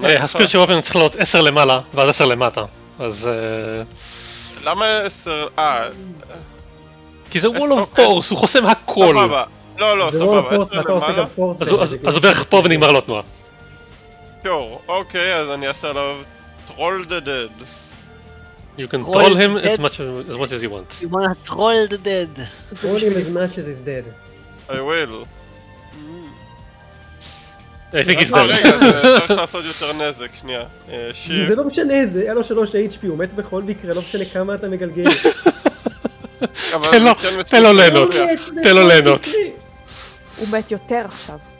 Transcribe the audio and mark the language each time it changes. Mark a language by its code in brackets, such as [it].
[he] הספירט של וופן צריך להיות 10 למעלה ועד 10 למטה. אז... למה 10... כי זה וול אוף פורס, הוא חוסם הכל. לא, לא, סבבה, זה למעלה. אז הוא בערך פה ונגמר לו תנועה. שור, אוקיי, אז אני אעשה עליו... [en] Troll the dead. You can troll him as much as you want. You want to troll the dead. Troll him as much as he's dead. I will. I think he's dead. [he] רגע, צריך לעשות יותר נזק, שנייה. שיר. זה לא משנה, זה היה לו 3 HP, הוא מת בכל מקרה, לא משנה כמה אתה מגלגל. תן לו ליהנות, תן לו ליהנות. הוא מת יותר עכשיו.